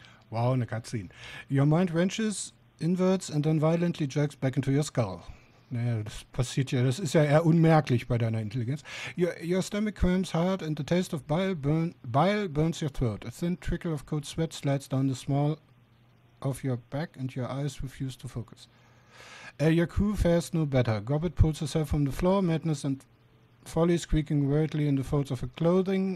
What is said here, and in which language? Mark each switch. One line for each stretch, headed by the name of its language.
German: Wow, eine Cutscene.
English: Your mind wrenches inwards and then violently jerks back into your skull.
German: Naja, das passiert ja, das ist ja eher unmerklich bei deiner Intelligenz.
English: Your stomach cramps hard and the taste of bile burns your throat. A thin trickle of cold sweat slides down the small of your back and your eyes refuse to focus. Your crew fares no better. Gobbet pulls herself from the floor, madness and folly squeaking worriedly in the folds of her clothing.